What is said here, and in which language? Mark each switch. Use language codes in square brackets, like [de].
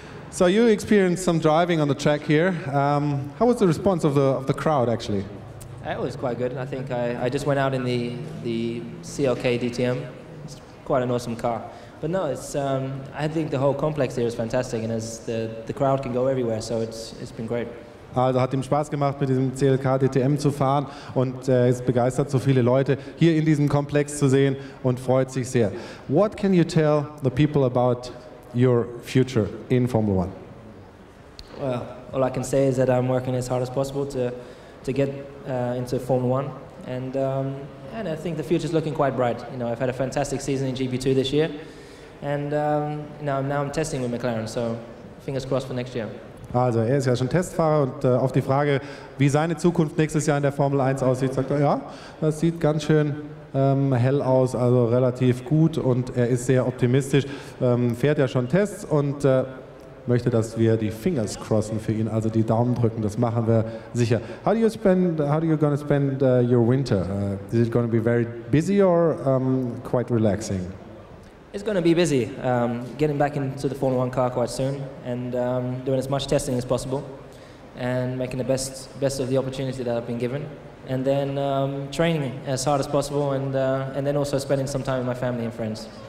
[en] So you experienced some driving on the track here. How was the response of the crowd, actually? It was quite good. I think I just went out in the CLK DTM. It's quite an awesome car. But no, it's I think the whole complex here is fantastic, and as the crowd can go everywhere, so it's been great. [de] Also hat ihm Spaß gemacht, mit diesem CLK DTM zu fahren, und er ist begeistert, so viele Leute hier in diesem Komplex zu sehen und freut sich sehr. [en] What can you tell the people about your future in Formula One? Well, all I can say is that I'm working as hard as possible to get into Formula One, and I think the future is looking quite bright. You know, I've had a fantastic season in GP2 this year, and now I'm testing with McLaren, so fingers crossed for next year. [de] Also, er ist ja schon Testfahrer, und auf die Frage, wie seine Zukunft nächstes Jahr in der Formel 1 aussieht, sagt er, ja, das sieht ganz schön hell aus, also relativ gut, und er ist sehr optimistisch, fährt ja schon Tests und möchte, dass wir die Fingers crossen für ihn, also die Daumen drücken, das machen wir sicher. [en] How are you going to spend your winter? Is it going to be very busy or quite relaxing? It's going to be busy, getting back into the Formula One car quite soon, and doing as much testing as possible, and making the best of the opportunity that I've been given, and then training as hard as possible, and then also spending some time with my family and friends.